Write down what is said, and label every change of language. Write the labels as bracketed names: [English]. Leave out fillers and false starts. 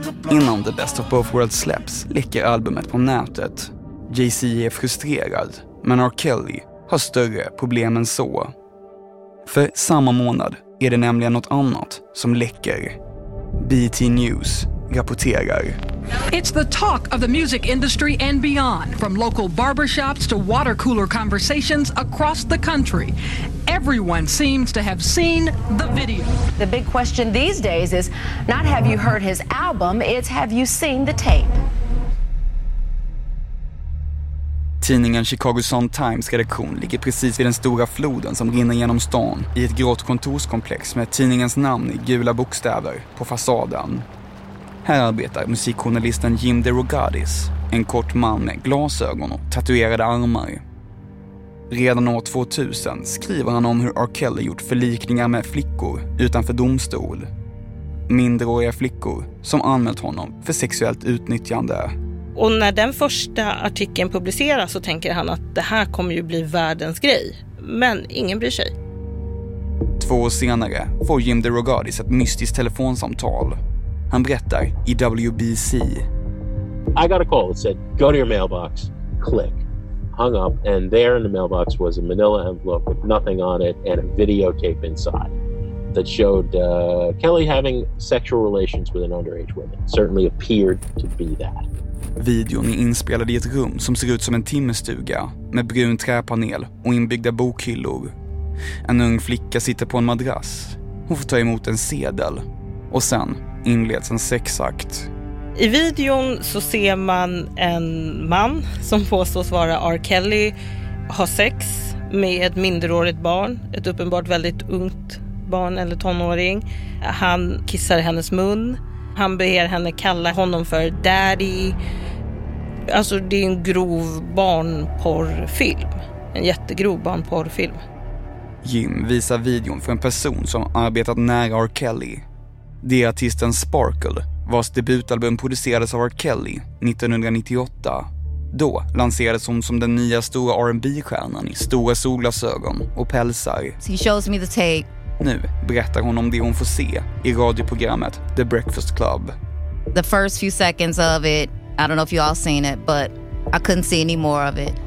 [Swedish] Innan The Best of Both Worlds släpps läcker albumet på nätet. Jay-Z är frustrerad, men R. Kelly har större problem än så. För samma månad är det nämligen något annat som läcker. BT News rapporterar. [English] It's the talk of the music industry and beyond, from local barbershops to water cooler conversations across the country. Everyone seems to have seen the video. The big question these days is not have you heard his album, it's have you seen the tape? [Swedish] Tidningen Chicago Sun-Times redaktion ligger precis vid den stora floden som rinner genom stan i ett grått kontorskomplex med tidningens namn i gula bokstäver på fasaden. Här arbetar musikjournalisten Jim DeRogatis, en kort man med glasögon och tatuerade armar. Redan år 2000 skriver han om hur R. Kelly gjort förlikningar med flickor utanför domstol. Mindreåriga flickor som anmält honom för sexuellt utnyttjande. Och när den första artikeln publiceras så tänker han att det här kommer ju bli världens grej. Men ingen bryr sig. Två år senare får Jim DeRogatis ett mystiskt telefonsamtal. Han berättar i WBC. [English] I got a call that said, go to your mailbox, click. Hung up, and there in the mailbox was a manila envelope with nothing on it and a videotape inside that showed Kelly having sexual relations with an underage woman. Certainly appeared to be that. [Swedish] Videon är inspelad i ett rum som ser ut som en timmerstuga med brun träpanel och inbyggda bokhyllor. En ung flicka sitter på en madrass. Hon får ta emot en sedel och sen inleds en sexakt. I videon så ser man en man som påstås vara R. Kelly ha sex med ett minderårigt barn, ett uppenbart väldigt ungt barn eller tonåring. Han kissar hennes mun. Han ber henne kalla honom för daddy. Alltså det är en grov barnporrfilm. En jättegrov barnporrfilm. Jim visar videon för en person som arbetat nära R. Kelly. Det är artisten Sparkle, vars debutalbum producerades av R. Kelly 1998. Då lanserades hon som den nya stora R&B-stjärnan i stora solglasögon och pälsar. [English] She shows me the tape. [Swedish] Nu berättar hon om det hon får se i radioprogrammet The Breakfast Club. [English] The first few seconds of it, I don't know if you all seen it, but I couldn't see any more of it.